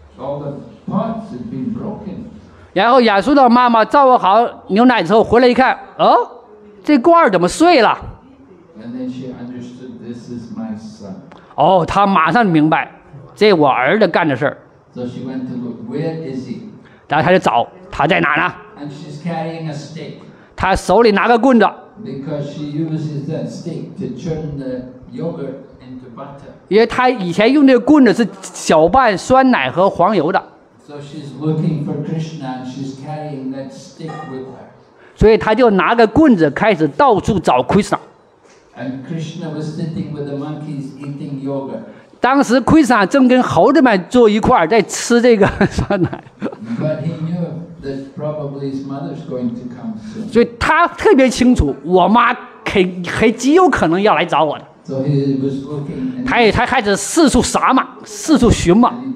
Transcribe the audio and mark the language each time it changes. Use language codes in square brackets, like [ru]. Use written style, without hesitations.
[en] He was not proper behaved. [zh] 然后亚苏的妈妈照顾好牛奶之后回来一看，哦，这罐怎么碎了？ [en] And then she understood, this is my son. [zh] 哦，她马上明白，这我儿子干的事儿。 [en] So she went to look, where is he? [zh] 然后她就找，他在哪呢？ [en] And she's carrying a stick. [zh] 她手里拿个棍子。 [en] Because she uses that stick to churn the yogurt into butter. [zh] 因为她以前用的棍子是搅拌酸奶和黄油的。 [en] So she's looking for Krishna and she's carrying that stick with her. [zh] 所以她就拿个棍子开始到处找 Krishna. [en] And Krishna was sitting with the monkeys eating yogurt. [zh] 当时 Krishna 正跟猴子们坐一块儿在吃这个酸奶。 [en] But he knew that probably his mother's going to come soon. [zh] 所以他特别清楚，我妈很极有可能要来找我的。 [en] So he was looking. [zh] 他开始四处撒网，四处寻嘛。